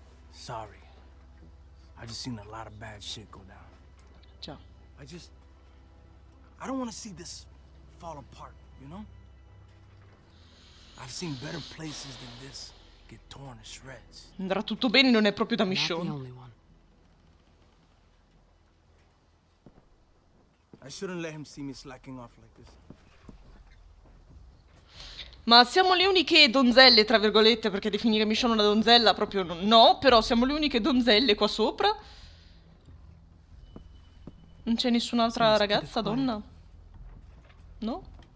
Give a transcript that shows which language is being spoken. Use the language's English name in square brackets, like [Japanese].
[English] Sorry. I just seen a lot of bad shit go down. [Italian] Ciao. [English] I don't want to see this fall apart, you know? I've seen better places than this get torn to shreds. [Italian] Andrà tutto bene, non è proprio da missione. [English] I shouldn't let him see me slacking off like this. [Italian] Ma siamo le uniche donzelle, tra virgolette, perché definire Michonne una donzella proprio no, però siamo le uniche donzelle qua sopra. Non c'è nessun'altra ragazza, donna? No?